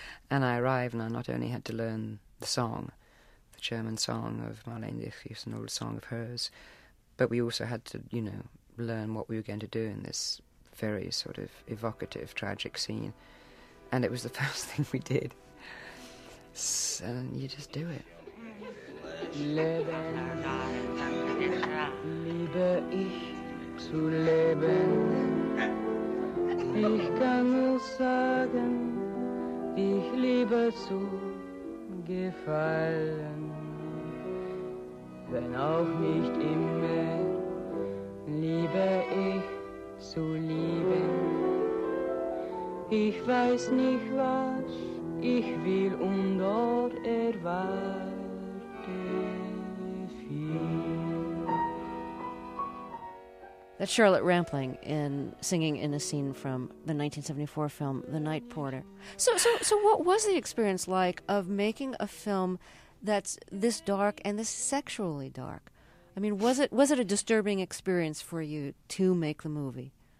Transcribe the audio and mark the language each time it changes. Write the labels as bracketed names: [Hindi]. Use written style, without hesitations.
[English] And I arrived, and I not only had to learn the song, the German song of Marlene Dietrich, an old song of hers, but we also had to, you know, learn what we were going to do in this very sort of evocative, tragic scene. And it was the first thing we did. And you just do it. [German] Leben, liebe ich zu leben. Ich kann nur sagen, ich liebe zu gefallen. Wenn auch nicht immer, liebe ich zu lieben. Ich weiß nicht, was ich will und dort erwarte viel. [English] That's Charlotte Rampling singing in a scene from the 1974 film The Night Porter. So what was the experience like of making a film that's this dark and this sexually dark? I mean, was it a disturbing experience for you to make the movie?